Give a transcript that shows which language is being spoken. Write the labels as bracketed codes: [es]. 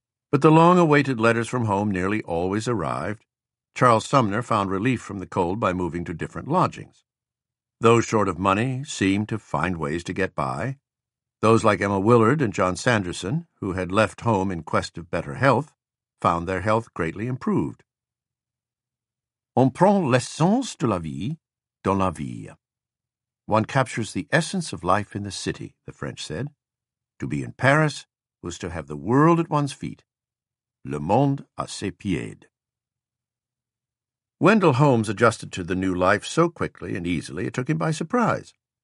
[en] But the long-awaited letters from home nearly always arrived. Charles Sumner found relief from the cold by moving to different lodgings. Those short of money seemed to find ways to get by. Those like Emma Willard and John Sanderson, who had left home in quest of better health, found their health greatly improved. [fr] On prend l'essence de la vie dans la ville. [en] One captures the essence of life in the city, the French said. To be in Paris was to have the world at one's feet. [fr] Le monde à ses pieds. [en] Wendell Holmes adjusted to the new life so quickly and easily it took him by surprise.